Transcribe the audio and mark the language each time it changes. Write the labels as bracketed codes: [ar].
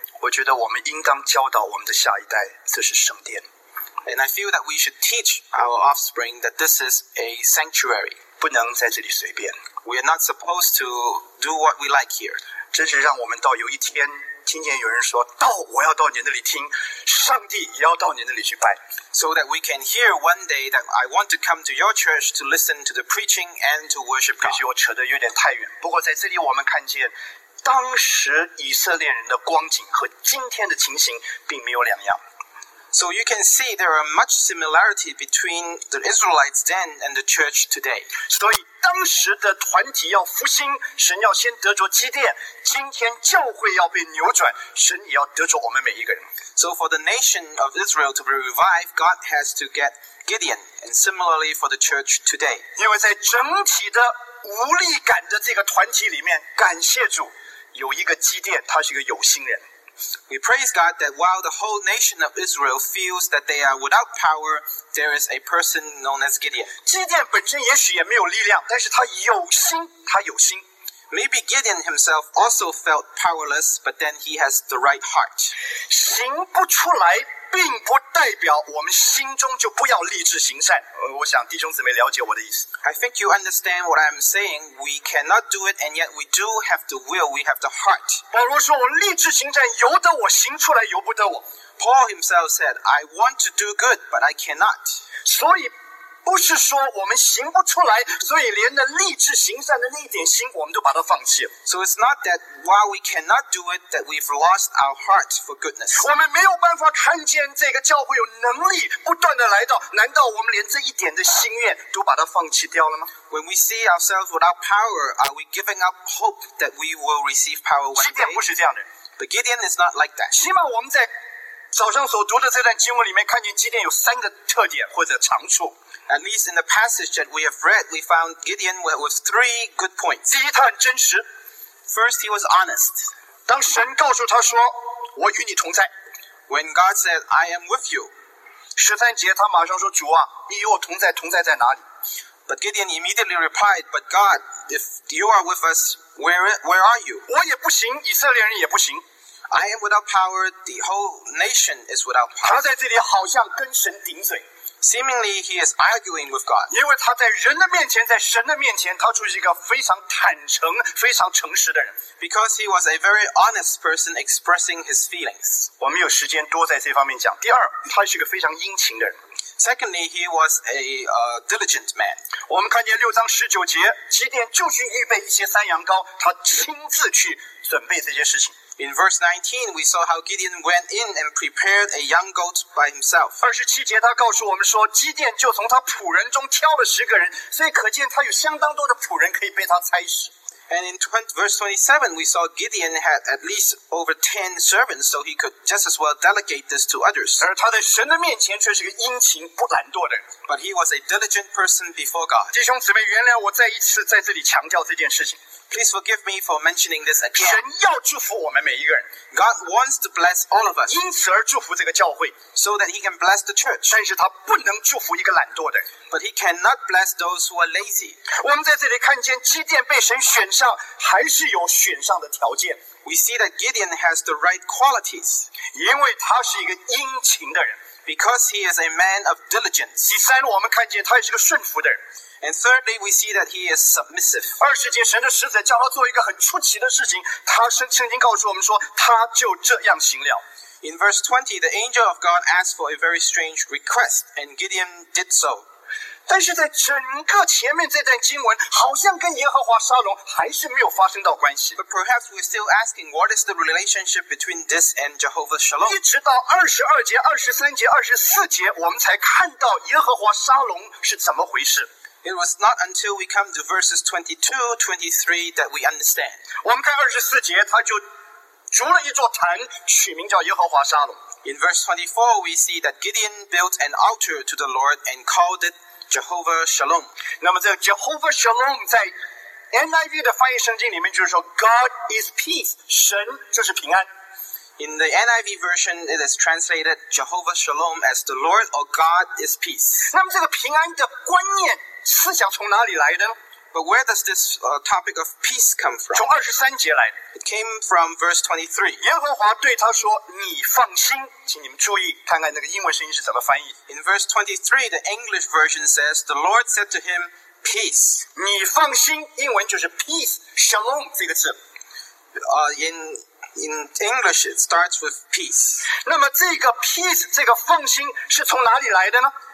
[zh] 我觉得我们应当教导我们的下一代，这是圣殿。 [en] And I feel that we should teach our offspring that this is a sanctuary. [zh] 不能在这里随便。 [en] We are not supposed to do what we like here. [zh] 真是让我们到有一天听见有人说到，我要到你那里听，上帝也要到你那里去拜。 [en] So that we can hear one day that I want to come to your church to listen to the preaching and to worship God. [zh] 也许我扯得有点太远，不过在这里我们看见。当时以色列人的光景和今天的情形并没有两样。 [en] So you can see there are much similarity between the Israelites then and the church today. [zh] 所以当时的团体要复兴，神要先得着基甸，今天教会要被扭转，神也要得着我们每一个人。 [en] So for the nation of Israel to be revived, God has to get Gideon, and similarly for the church today. [zh] 因为在整体的无力感的这个团体里面，感谢主。有一个基甸，他是一个有心人。 [en] We praise God that while the whole nation of Israel feels that they are without power, there is a person known as Gideon. [zh] 基甸本身也许也没有力量，但是他有心，他有心。 [en] Maybe Gideon himself also felt powerless, but then he has the right heart. [zh] 行不出来并不代表我们心中就不要立志行善。我想弟兄姊妹了解我的意思。 [en] I think you understand what I'm saying. We cannot do it, and yet we do have the will. We have the heart. [zh] 保罗说我立志行善，由得我行出来，由不得我。 [en] Paul himself said, I want to do good, but I cannot. [zh] 所以不是说我们行不出来，所以连那立志行善的那一点心，我们都把它放弃了。 [en] So it's not that while we cannot do it, that we've lost our heart for goodness. [zh] 我们没有办法看见这个教会有能力不断的来到，难道我们连这一点的心愿都把它放弃掉了吗？ [en] When we see ourselves without power, are we giving up hope that we will receive power one day? [zh] 基甸不是这样的。 [en] But Gideon is not like that. [zh] 起码我们在早上所读的这段经文里面，看见基甸有三个特点或者长处。 [en] At least in the passage that we have read, we found Gideon with three good points. [zh] 第一，他很真实。 [en] First, he was honest. [zh] 当神告诉他说，我与你同在。 [en] When God said, I am with you. [zh] 十三节，他马上说，主啊，你与我同在，同在在哪里？ [en] But Gideon immediately replied, but God, if you are with us, where are you? [zh] 我也不行，以色列人也不行。 [en] I am without power, the whole nation is without power. [zh] 他在这里好像跟神顶嘴。 [en] Seemingly, he is arguing with God. [zh] 因为他在人的面前，在神的面前，他就是一个非常坦诚、非常诚实的人。 [en] Because he was a very honest person expressing his feelings. [zh] 我们有时间多在这方面讲。第二，他是一个非常殷勤的人。 [en] Secondly, he was a diligent man. [zh] 我们看见六章十九节，基甸就去预备一些山羊羔，他亲自去准备这些事情。 [en] In verse 19, we saw how Gideon went in and prepared a young goat by himself. [zh] 27节他告诉我们说，基甸就从他仆人中挑了十个人，所以可见他有相当多的仆人可以被他差使。 [en] And in verse 27, we saw Gideon had at least over 10 servants, so he could just as well delegate this to others. [zh] 而他在神的面前却是个殷勤不懒惰的人。 [en] But he was a diligent person before God. [zh] 弟兄姊妹，原谅我再一次在这里强调这件事情。 [en] Please forgive me for mentioning this again. [zh] 神要祝福我们每一个人。 [en] God wants to bless all of us. [zh] 因此而祝福这个教会。 [en] So that he can bless the church. [zh] 但是他不能祝福一个懒惰的人。 [en] But he cannot bless those who are lazy. [zh] 我们在这里看见基甸被神选上，还是有选上的条件。 [en] We see that Gideon has the right qualities. [zh] 因为他是一个殷勤的人。 [en] Because he is a man of diligence. [zh] 第三，我们看见他也是个顺服的人。 [en] And thirdly, we see that he is submissive. [zh] 二十节，神的使者叫他做一个很出奇的事情，他曾经告诉我们说，他就这样行了。 [en] In verse 20, the angel of God asked for a very strange request, and Gideon did so. [zh] 但是在整个前面这段经文，好像跟耶和华沙龙还是没有发生到关系。 [en] But perhaps we're still asking, what is the relationship between this and Jehovah Shalom? [zh] 一直到二十二节、二十三节、二十四节，我们才看到耶和华沙龙是怎么回事。 [en] It was not until we come to verses 22, 23 that we understand. [zh] 我们看二十四节，他就筑了一座坛，取名叫耶和华沙龙。 [en] In verse 24, we see that Gideon built an altar to the Lord and called it Jehovah Shalom. [zh] 那么这 Jehovah Shalom 在 NIV 的翻译圣经里面就是说 [en] God is peace, [zh] 神就是平安。 [en] In the NIV version, it is translated Jehovah Shalom as the Lord or God is peace. [zh] 那么这个平安的观念思想从哪里来的呢？ [en] But where does this topic of peace come from? [zh] 从二十三节来的。 [en] It came from verse 23. [zh] 耶和华对他说：“你放心。” 请你们注意看看那个英文声音是怎么翻译。 [en] In verse 23, the English version says, "The Lord said to him, 'Peace.'" [zh] 你放心，英文就是 peace, shalom 这个字。 [en] In English, it starts with peace. [zh] 那么这个 peace, 这个放心是从哪里来的呢？